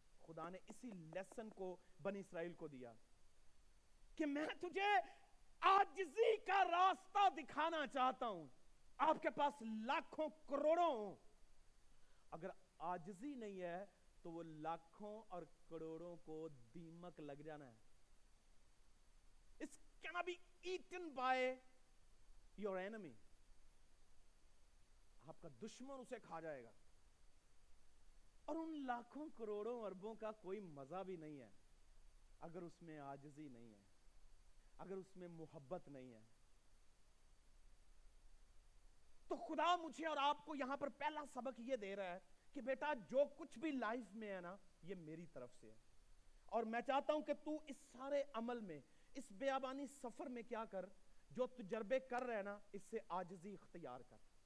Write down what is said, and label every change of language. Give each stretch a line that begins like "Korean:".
Hindi: खुदा ने इसी लेसन को बनी इसराइल को दिया कि मैं तुझे आजिजी का रास्ता दिखाना चाहता हूं। आपके पास लाखों करोड़ों, अगर आजिजी नहीं है तो वो लाखों और करोड़ों को दीमक लग जाना है।
English: It cannot be eaten by your enemy.
Hindi: आपका दुश्मन उसे खा जाएगा। और उन लाखों करोड़ों अरबों का कोई मजा भी नहीं है अगर उसमें आजिजी नहीं है, अगर उसमें मोहब्बत नहीं है। तो खुदा मुझे और आपको यहां पर पहला सबक यह दे रहा है कि बेटा जो कुछ भी लाइफ में है ना, ये मेरी तरफ से है, और मैं चाहता हूं कि तू इस सारे अमल में, इस बेआबानी सफर में क्या कर, जो तजर्बे कर रहे ना, इससे आजिजी इख्तियार कर।